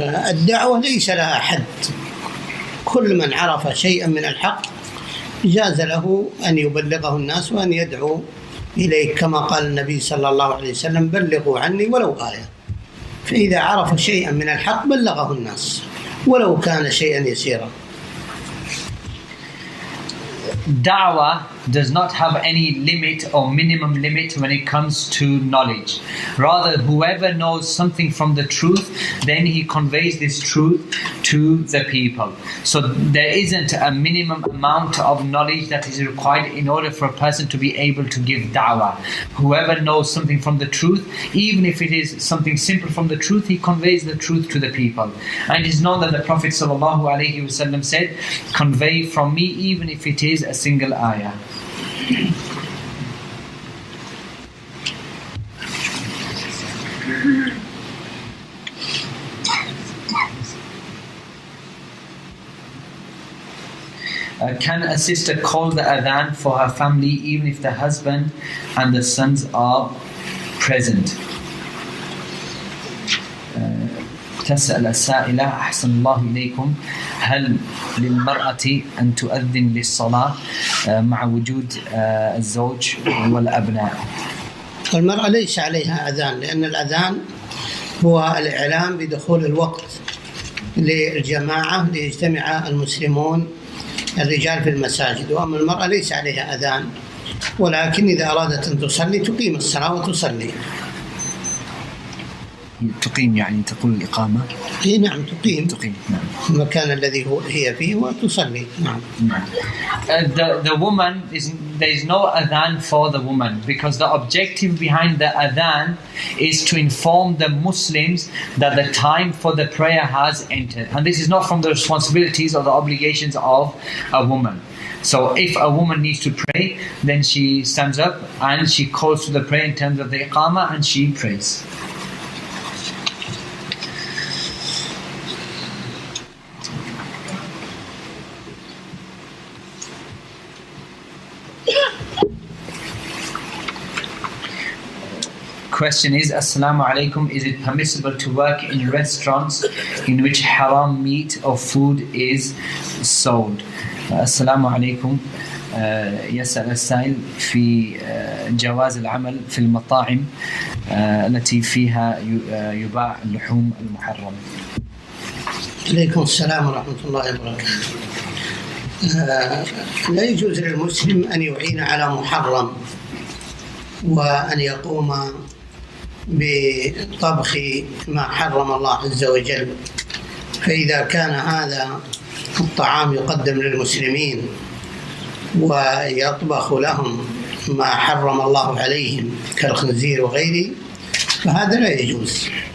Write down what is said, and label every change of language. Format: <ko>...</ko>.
<ar>الدعوة ليس لها حد، كل من عرف شيئا من الحق جاز له أن يبلغه الناس وأن يدعو إليه، كما قال النبي صلى الله عليه وسلم: بلغوا عني ولو آية. فإذا عرف شيئا من الحق بلغه الناس ولو كان شيئا يسيرا.</ar> <en>دعوة does not have any limit or minimum limit when it comes to knowledge. Rather, whoever knows something from the truth, then he conveys this truth to the people. So there isn't a minimum amount of knowledge that is required in order for a person to be able to give da'wah. Whoever knows something from the truth, even if it is something simple from the truth, he conveys the truth to the people. And it is known that the Prophet ﷺ said, convey from me even if it is a single ayah. Can a sister call the adhan for her family even if the husband and the sons are present?</en> <ar>تسأل السائلة أحسن الله إليكم هل للمرأة أن تؤذن للصلاة مع وجود الزوج والأبناء؟ المرأة ليس عليها أذان، لأن الأذان هو الإعلام بدخول الوقت للجماعة ليجتمع المسلمون الرجال في المساجد، وأما المرأة ليس عليها أذان، ولكن إذا أرادت أن تصلي تقيم الصلاة وتصلي. تقيم يعني تقول الإقامة؟ هي نعم تقيم. تقيم نعم. المكان الذي هو هي فيه وتصلي نعم.</ar> <en>The woman is, there is no adhan for the woman because the objective behind the adhan is to inform the Muslims that the time for the prayer has entered, and this is not from the responsibilities or the obligations of a woman. So if a woman needs to pray, then she stands up and she calls to the prayer in terms of the iqama and she prays. Question is, assalamu alaikum, is it permissible to work in restaurants in which haram meat or food is sold?</en> <ar>Assalamu alaikum. يسأل السائل في جواز العمل في المطاعم التي فيها يباع اللحوم المحرم. عليكم السلام ورحمة الله وبركاته. لا يجوز للمسلم أن يعين على محرم وأن يقوم بطبخ ما حرم الله عز وجل، فإذا كان هذا الطعام يقدم للمسلمين ويطبخ لهم ما حرم الله عليهم كالخنزير وغيره فهذا لا يجوز.</ar>